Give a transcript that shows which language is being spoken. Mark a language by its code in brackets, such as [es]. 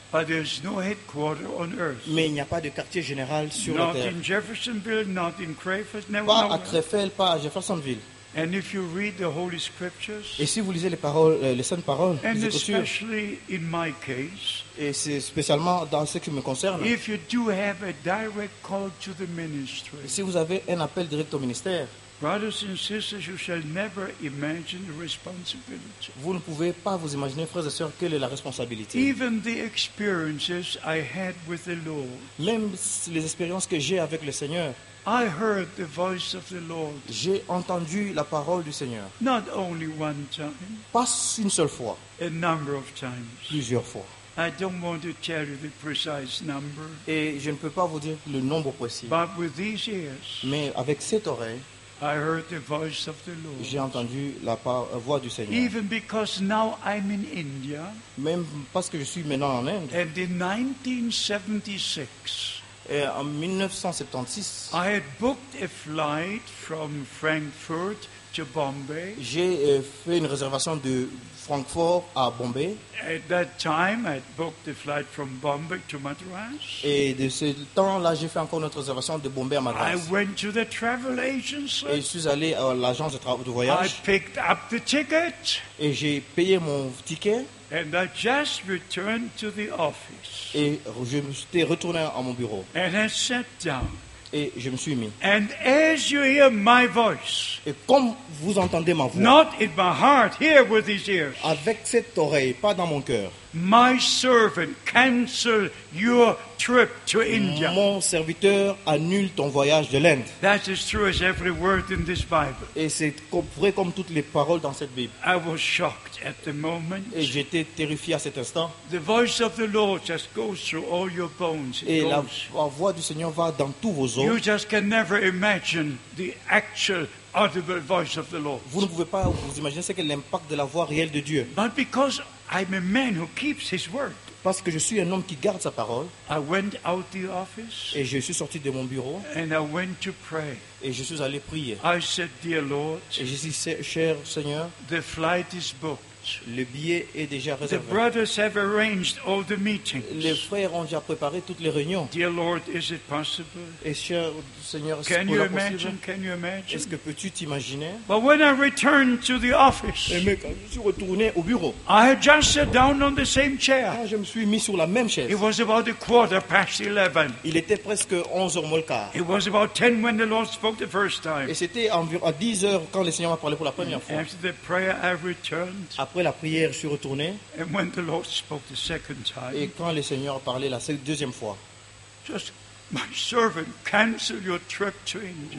[en] But there's no headquarter on earth. [fr] Mais il n'y a pas de quartier général sur [en] not [fr] la terre. [en] Not in Jeffersonville, not in Crayford, never. [fr] Pas à Crayford, pas à Jeffersonville. [en] And if you read the holy scriptures. [fr] Et si vous lisez les paroles, les saintes paroles. [en] And especially in my case. [fr] Et c'est spécialement dans ce qui me concerne. [en] If you do have a direct call to the ministry. [fr] Si vous avez un appel direct au ministère. [en] Brothers and sisters, you shall never imagine the responsibility. [fr] Vous ne pouvez pas vous imaginer, frères et sœurs, quelle est la responsabilité. [en] Even the experiences I had with the Lord. [fr] Même les expériences que j'ai avec le Seigneur. [en] I heard the voice of the Lord. [fr] J'ai entendu la parole du Seigneur. [en] Not only one time. [fr] Pas une seule fois. [en] A number of times. [fr] Plusieurs fois. [en] I don't want to tell you the precise number. [fr] Et je ne peux pas vous dire le nombre précis. [en] But with these ears. [fr] Mais avec cette oreille. [en] I heard the voice of the Lord. [fr] J'ai entendu la voix du Seigneur. [en] Even because now I'm in India. [fr] Même parce que je suis maintenant en Inde. [en] And in 1976. [fr] Et en 1976. [en] I had booked a flight from Frankfurt to Bombay. [fr] J'ai fait une réservation de Francfort à Bombay. [en] At that time, I booked the flight from Bombay to Madras. [fr] Et de ce temps-là, j'ai fait encore notre réservation de Bombay à Madras. [en] I went to the travel agency. [fr] Et je suis allé à l'agence de voyage. [en] I picked up the ticket. [fr] Et j'ai payé mon ticket. [en] And I just returned to the office. [fr] Et je me suis retourné à mon bureau. [en] And I sat down. [fr] Et je me suis mis. [en] And as you hear my voice, [fr] et comme vous entendez ma voix, [en] not in my heart, here with these ears, [fr] avec cette oreille, pas dans mon cœur, [en] my servant cancel your trip to India. [fr] Mon serviteur annule ton voyage de l'Inde. [en] That is true as every word in this Bible. [fr] Et c'est vrai comme toutes les paroles dans cette Bible. [en] I was shocked at the moment. [fr] Et j'étais terrifié à cet instant. [en] The voice of the Lord just goes through all your bones. [fr] Et la voix du Seigneur va dans tous vos os. [en] You just can never imagine the actual audible voice of the Lord. [fr] Vous ne pouvez pas vous imaginer ce qu'est l'impact de la voix réelle de Dieu. [en] But because I'm a man who keeps his word. [fr] Parce que je suis un homme qui garde sa parole. [en] I went out the office, [fr] et je suis sorti de mon bureau. [en] And I went to pray. [fr] Et je suis allé prier. [en] I said, dear Lord, [fr] et je dis, cher Seigneur, [en] the flight is booked. [fr] Le billet est déjà réservé. [en] The brothers have arranged all the meetings. [fr] Les frères ont déjà préparé toutes les réunions. [en] Dear Lord, is it possible? [fr] Et cher Seigneur, est-ce que possible? [en] Imagine, can you imagine? [fr] Est-ce que peux-tu t'imaginer? [en] But when I returned to the office, [fr] et mais quand je suis retourné au bureau, [en] I had just sat down on the same chair. [fr] Je me suis mis sur la même chaise. [en] It was about a quarter past 11. [fr] Il était presque 11h moins le quart. [en] It was about 10 when the Lord spoke the first time. [fr] Et c'était environ à 10h quand le Seigneur m'a parlé pour la première fois. [en] After the prayer, I returned. [fr] Après la prière, je suis retourné. [en] And when the Lord spoke the second time, [fr] et quand le Seigneur a parlé la deuxième fois, [en] just my servant canceled your trip to India.